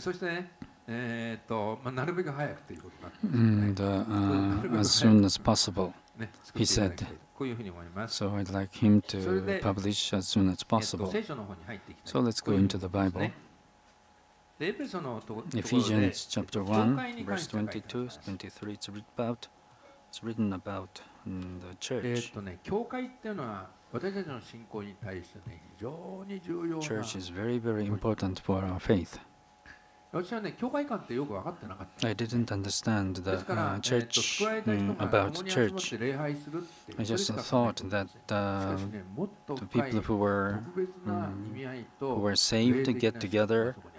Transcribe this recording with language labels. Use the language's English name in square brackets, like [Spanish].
[Japanese] そしてね、なるべく早くということになってですね。 [English] As soon as possible, he said. [Japanese] こういうふうに思います。 [English] So I'd like him to publish as soon as possible. [Japanese] 聖書の方に入っていきたい。 [English] So let's go into the Bible. [Japanese] エペソの [English] Ephesians chapter 1, verse 22-23, it's written about the church. [Japanese] 教会っていうのは私たちの信仰に対して、ね、非常に重要な。 [English] Church is very, very important for our faith. [Japanese] 私は、ね、教会観ってよく分かってなかった。 [English] I didn't understand the church about church. I just thought that the people who were saved get together.